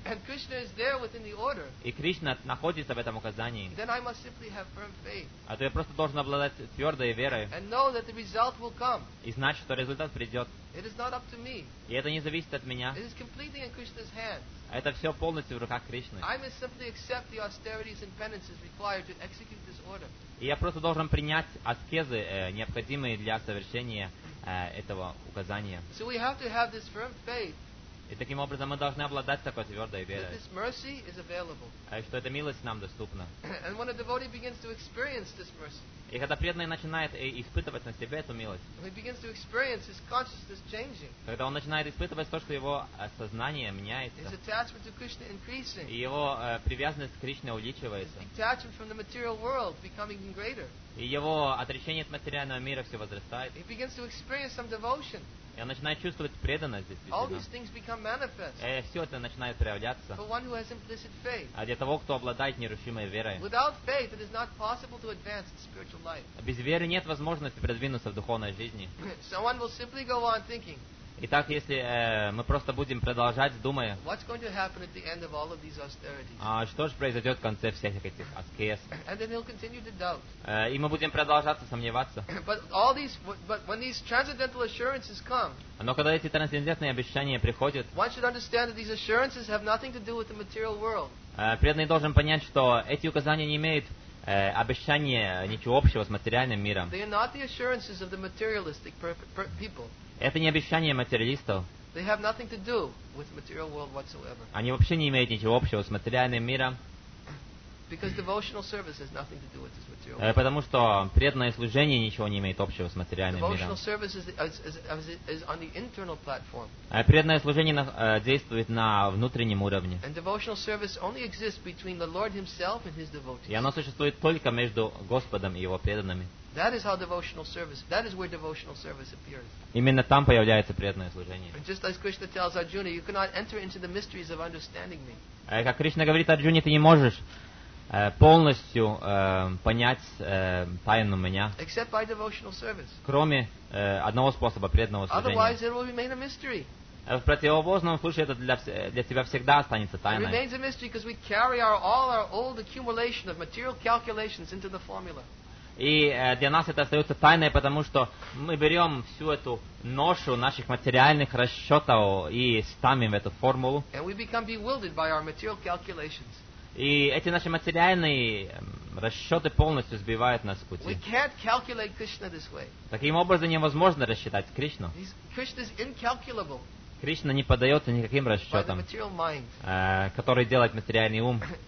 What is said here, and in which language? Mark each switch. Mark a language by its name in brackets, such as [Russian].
[English] and Krishna is there within the order, [Russian] и Кришна находится в этом указании, [English] then I must simply have firm faith, [Russian] а то я просто должен обладать твердой верой, [English] and know that the result will come, [Russian] и знать, что результат придет. [English] It is not up to me, [Russian] и это не зависит от меня. [English] It is completely in Krishna's hands. [Russian] Это все полностью в руках Кришны. [English] I must simply accept the austerities and penances required to execute this order. [Russian] И я просто должен принять аскезы, необходимые для совершения этого указания. [English] So we have to have this firm faith. [Russian] И таким образом мы должны обладать такой твердой верой. [English] That this mercy is available. [Russian] Что эта милость нам доступна. [English] And when a devotee begins to experience this mercy, [Russian] и когда преданный начинает испытывать на себе эту милость, [English] when he begins to experience his consciousness changing, [Russian] когда он начинает испытывать то, что его сознание меняется, [English] his attachment to Krishna increasing, [Russian] и его привязанность к Кришне увеличивается, [English] his detachment from the material world becoming greater, [Russian] и его отречение от материального мира все возрастает, [English] he begins to experience some devotion, [Russian] и он начинает чувствовать преданность действительно. [English] All these things become manifest. [Russian] И все это начинает проявляться. [English] For one who has implicit faith. [Russian] А для того, кто обладает нерушимой верой. [English] Without faith, it is not possible to advance in spiritual life. [Russian] Без веры нет возможности продвинуться в духовной жизни. [English] Someone will simply go on thinking. [Russian] Итак, если мы просто будем продолжать, думая, [English] what's going to happen at the end of all of these austerities? [Russian] Что же произойдет в конце всех этих аскез? [English] And then he'll continue to doubt. [Russian] И мы будем продолжаться сомневаться. [English] But when these transcendental assurances come, [Russian] но когда эти трансцендентные обещания приходят, [English] one should understand that these assurances have nothing to do with the material world. [Russian] Преданный должен понять, что эти указания не имеют обещания ничего общего с материальным миром. [English] They are not the assurances of the materialistic people. [Russian] Это не обещание материалистов. [English] They have nothing to do with material world whatsoever. [Russian] Они вообще не имеют ничего общего с материальным миром. [English] Because devotional service has nothing to do with this material world. [Russian] Потому что преданное служение ничего не имеет общего с материальным миром. [English] Devotional service is on the internal platform. [Russian] Преданное служение действует на внутреннем уровне. [English] And devotional service only exists between the Lord himself and his devotees. [Russian] И оно существует только между Господом и его преданными. [English] That is how devotional service. That is where devotional service appears. [Russian] Именно там появляется преданное служение. [English] Just as Krishna tells Arjuna, you cannot enter into the mysteries of understanding me. [Russian] Как Кришна говорит Арджуне, ты не можешь полностью понять тайну меня. [English] Except by devotional service. [Russian] Кроме одного способа преданного служения. [English] Otherwise, it will remain a mystery. [Russian] В противоположном случае это для тебя всегда останется тайной. [English] It remains a mystery because we carry all our old accumulation of material calculations into the formula. [Russian] И для нас это остается тайной, потому что мы берем всю эту ношу наших материальных расчетов и ставим в эту формулу. [English] And we become bewildered by our material calculations. [Russian] И эти наши материальные расчеты полностью сбивают нас с пути. [English] We can't calculate Krishna this way. [Russian] Таким образом невозможно рассчитать Кришну. [English] Krishna is incalculable. [Russian] Кришна не поддается никаким расчетам, которые делает материальный ум.